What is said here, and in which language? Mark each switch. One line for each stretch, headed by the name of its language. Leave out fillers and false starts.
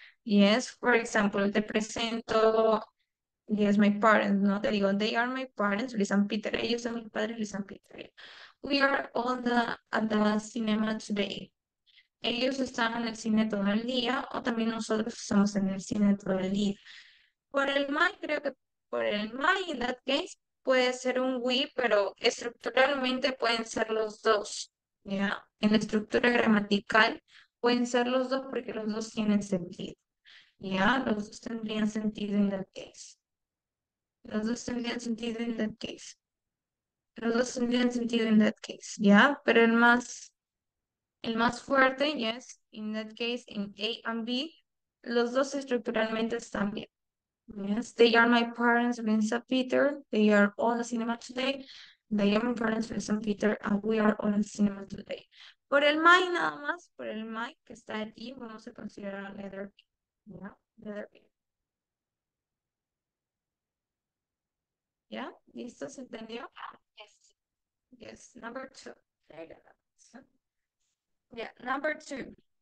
Spanish: Yes, por ejemplo, te presento, yes,
English: my parents,
Spanish: ¿no? Te digo,
English: they are my parents, Luis and Peter,
Spanish: ellos son mis padres,
English: Luis and Peter. We are all at the cinema today.
Spanish: Ellos están en el cine todo el día o también nosotros estamos en el cine todo el día. Por el mal, creo que por el mal, en
English: that case,
Spanish: puede ser un we, pero estructuralmente pueden ser los dos, ¿ya? En la estructura gramatical pueden ser los dos porque los dos tienen sentido, ¿ya? Los dos tendrían sentido en
English: that case.
Spanish: Los dos tendrían sentido en that case. Los dos tendrían sentido en
English: that case,
Spanish: ¿ya? Pero el más fuerte,
English: yes, in that case, in A and B,
Spanish: los dos estructuralmente están bien.
English: Yes, they are my parents, Vincent Peter. They are all the cinema today. They are my parents, Vincent Peter, and we are all the cinema today.
Spanish: Por el my nada más, por el my que está aquí, vamos a considerar a
English: letter B. Yeah, letter B.
Spanish: Yeah, ¿listo? ¿Se entendió?
English: Yes. Yes, number two. There you go. Yeah, number two.